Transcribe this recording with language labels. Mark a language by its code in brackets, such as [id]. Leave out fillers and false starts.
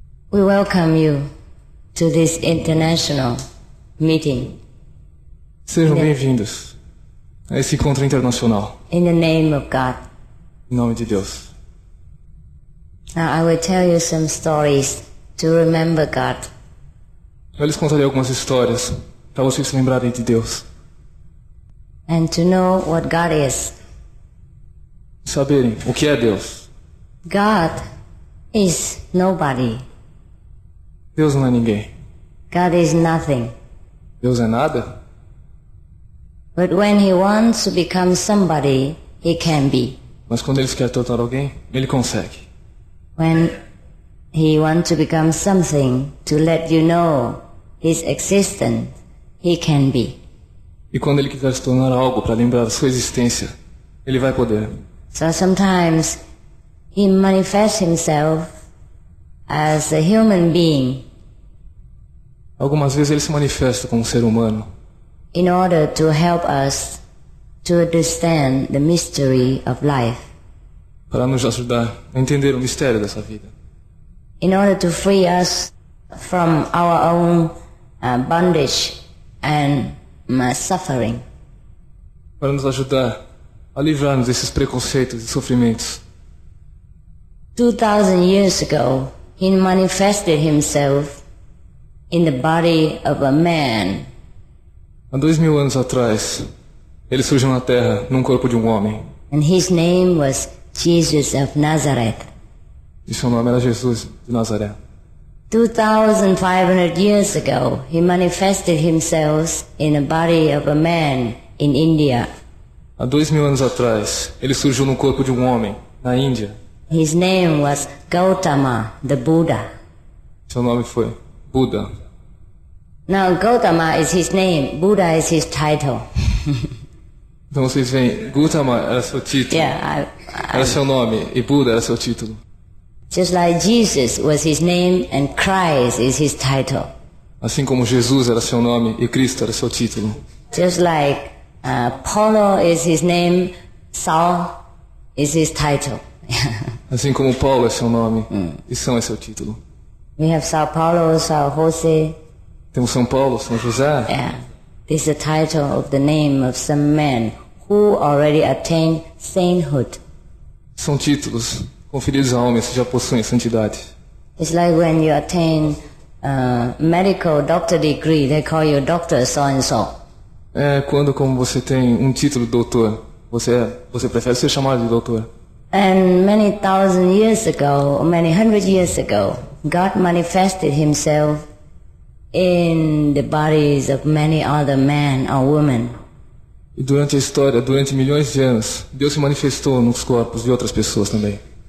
[en] We welcome you to this international meeting. [pt] Sejam bem-vindos a esse encontro internacional. [en] In the name of God. [pt] Em nome de Deus. [en] Now I will tell you some stories to remember God. [pt] Eu lhes contarei algumas histórias para vocês se lembrarem de Deus. [en] And to know what God is. [pt] Saberem o que é Deus. [en] God is nobody. [pt] Deus não é ninguém. [en] God is nothing. [pt] Deus é nada. [en] But when he wants to become somebody, he can be. [pt] Mas quando ele quer tornar alguém, ele consegue. [en] When he wants to become something to let you know his existence, he can be. [pt] E quando ele quiser se tornar algo para lembrar a sua existência, ele vai poder. [en] So sometimes he manifests himself as a human being. [pt] Algumas vezes ele se manifesta como um ser humano. [en] In order to help us to understand the mystery of life. [pt] para nos ajudar a entender o mistério dessa vida. [en] In order to free us from our own bondage and suffering. [pt] Para nos ajudar a livrar-nos desses preconceitos e sofrimentos. [en] 2000 years ago, he manifested himself in the body of a man. [pt] Há 2000 anos atrás, ele surgiu na Terra num corpo de um homem. [en] And his name was Jesus of Nazareth. [pt] E seu nome era Jesus de Nazaré. [en] 2500 years ago, he manifested himself in the body of a man in India. [pt] Há 2000 anos atrás, ele surgiu no corpo de um homem na Índia. [en] His name was Gautama, the Buddha. [pt] Seu nome foi Buda. [en] Now Gautama is his name, Buddha is his title. [pt] Então vocês veem, Gautama era seu título. Era seu nome e Buda era seu título. [en] Just like Jesus was his name and Christ is his title. [pt] Assim como Jesus era seu nome e Cristo era seu título. [en] Just like Paulo is his name, Saul is his title. [pt] Assim como Paulo é seu nome e São é seu título. [en] We have São Paulo, São José. [pt] Temos São Paulo, São José. [en] Yeah. This is the title of the name of some man who already attained sainthood. [pt] São títulos conferidos a homens que já possuem santidade. [en] It's like when you attain a medical doctor degree, they call you doctor so and so. [pt] É quando como você tem um título de doutor, você prefere ser chamado de doutor. [en] And many thousand years ago, many hundred years ago, God manifested himself in the bodies of many other men or women. [pt] E durante a história, durante milhões de anos, Deus se manifestou nos corpos de outras pessoas também.